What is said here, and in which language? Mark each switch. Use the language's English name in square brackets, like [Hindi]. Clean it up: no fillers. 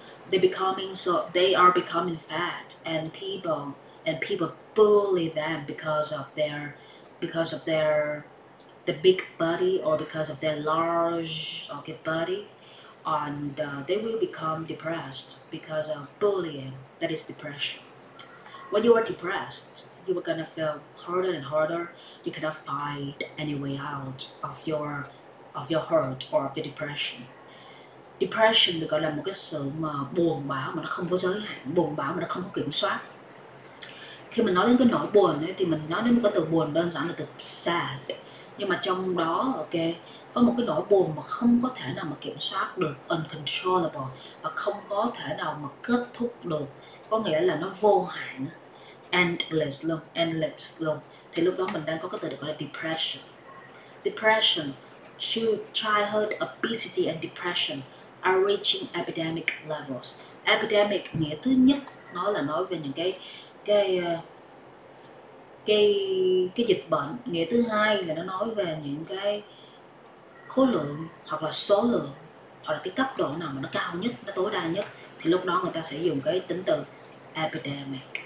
[English] They are becoming fat and people bully them because of their the big body or because of their large, okay, body, and they will become depressed because of bullying. That is depression. When you are depressed, you are gonna feel harder and harder. You cannot find any way out of your hurt or of your depression. [Vietnamese] Depression được gọi là một cái sự mà buồn bã mà nó không có giới hạn, buồn bã mà nó không có kiểm soát. Khi mình nói đến cái nỗi buồn ấy, thì mình nói đến một cái từ buồn đơn giản là từ sad. Nhưng mà trong đó, ok, có một cái nỗi buồn mà không có thể nào mà kiểm soát được, uncontrollable, và không có thể nào mà kết thúc được. Có nghĩa là nó vô hạn, endless luôn. Thì lúc đó mình đang có cái từ được gọi là depression. [English] Depression, childhood, obesity and depression are reaching epidemic levels. [Vietnamese] Epidemic nghĩa thứ nhất, nó là nói về những cái dịch bệnh. Nghĩa thứ hai là nó nói về những cái khối lượng hoặc là số lượng hoặc là cái cấp độ nào mà nó cao nhất, nó tối đa nhất, thì lúc đó người ta sẽ dùng cái tính từ epidemic.